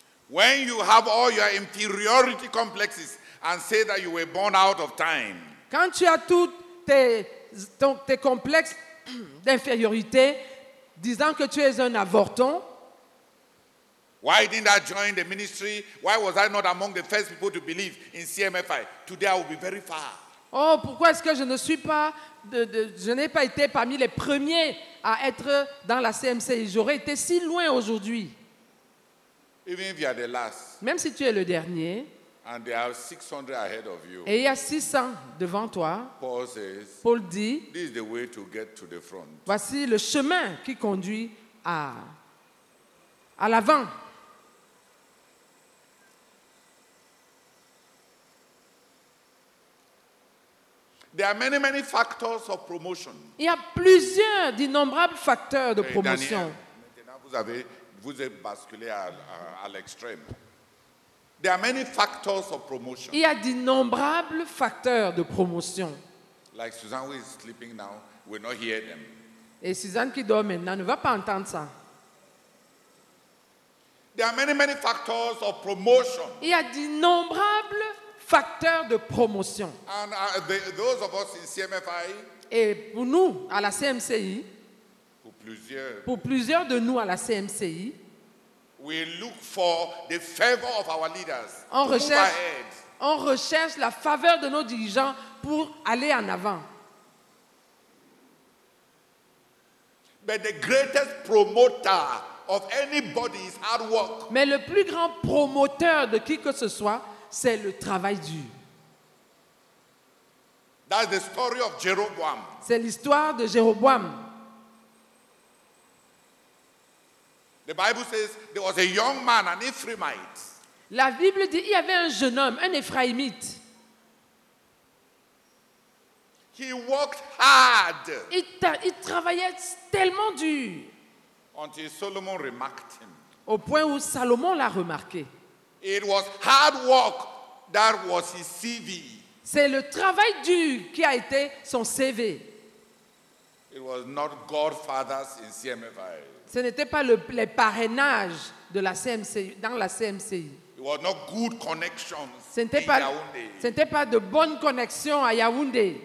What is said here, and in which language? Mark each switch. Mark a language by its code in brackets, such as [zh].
[en] When you have all your inferiority complexes and say that you were born out of time. [fr] Quand tu as tous tes complexes d'infériorité, disant que tu es un avorton. [en] Why didn't I join the ministry? Why was I not among the first people to believe in CMFI? Today I will be very far. [fr] Oh, pourquoi est-ce que je n'ai pas été parmi les premiers à être dans la CMC? J'aurais été si loin aujourd'hui. [en] Even if you are the last, [fr] même si tu es le dernier, [en] and there are 600 ahead of you, [fr] et il y a 600 devant toi, [en] Paul, says, [fr] Paul dit, [en] this is the way to get to the front. [fr] Voici le chemin qui conduit à l'avant. [en] There are many, many factors of promotion. [fr] Il y a plusieurs, d'innombrables facteurs de promotion. Daniel, maintenant vous êtes basculé à l'extrême. [en] There are many factors of promotion. [fr] Il y a d'innombrables facteurs de promotion. [en] Like Suzanne who is sleeping now, will not hear them. [fr] Et Suzanne qui dort maintenant ne va pas entendre ça. [en] There are many, many factors of promotion. [fr] Il y a d'innombrables facteurs de promotion. [en] And those of us in CMFI. [fr] Et pour nous à la CMCI. Pour plusieurs de nous à la CMCI, [en] we look for the favor of our leaders. [fr] On recherche la faveur de nos dirigeants pour aller en avant. [en] But the greatest promoter of anybody is hard work. [fr] Mais le plus grand promoteur de qui que ce soit, c'est le travail dur. [en] That's the story of Jeroboam. [fr] C'est l'histoire de Jéroboam. [en] The Bible says there was a young man, an Ephraimite. [fr] La Bible dit il y avait un jeune homme, un Ephraimite. [en] He worked hard. [fr] Il travaillait tellement dur. [en] Until Solomon remarked him. [fr] Au point où Salomon l'a remarqué. [en] It was hard work that was his CV. [fr] C'est le travail dur qui a été son CV. [en] It was not Godfathers in CMFI. [fr] Ce n'était pas les parrainages de la CMCI, dans la CMCI. [en] It was not good connections. [fr] Ce n'était pas de bonnes connexions à Yaoundé.